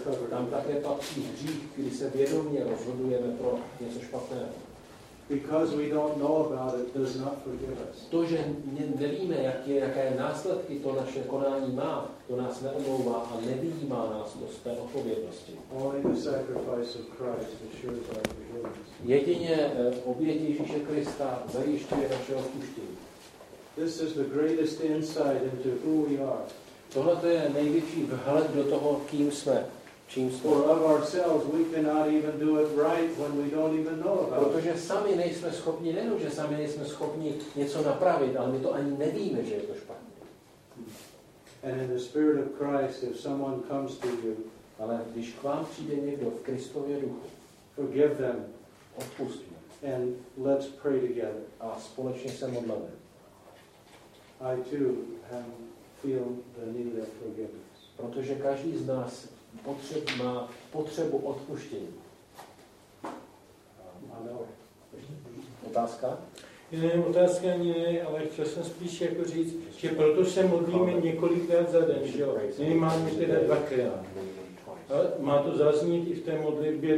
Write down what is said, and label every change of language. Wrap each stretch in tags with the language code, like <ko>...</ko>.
<cs>tam také patří hřích, kdy se vědomě rozhodujeme pro něco špatného.</cs> <en>Because we don't know about it does not forgive us.</en> <cs>To, že nevíme, jaké následky to naše konání má, to nás neomlouvá a nevyjímá nás z té odpovědnosti.</cs> <en>Only the sacrifice of Christ assures our forgiveness.</en> <cs>Jedině oběť Ježíše Krista zajišťuje naše odpuštění.</cs> <en>This is the greatest insight into who we are.</en> <cs>Tohle to je největší vhled do toho, kým jsme, čím jsme.</cs> <en>For of ourselves we cannot even do it right when we don't even know about it.</en> <cs>Protože sami nejsme schopni, nejenom, že sami nejsme schopni něco napravit, ale my to ani nevíme, že je to špatně.</cs> <en>And in the spirit of Christ, if someone comes to you,</en> <cs>ale když k vám přijde někdo v Kristově duchu,</cs> <en>forgive them,</en> <cs>odpust mu.</cs> <en>And let's pray together.</en> <cs>A společně se modlíme.</cs> <en>I too have feel the need of forgiveness.</en> <cs>Protože každý z nás má potřebu odpuštění. Otázka? Ne, otázka ne, ale chtěl jsem spíš jako říct, že proto se modlíme několikrát za den, že jo? Minimálně teda dvakrát. A má to zaznít i v té modlitbě.</cs>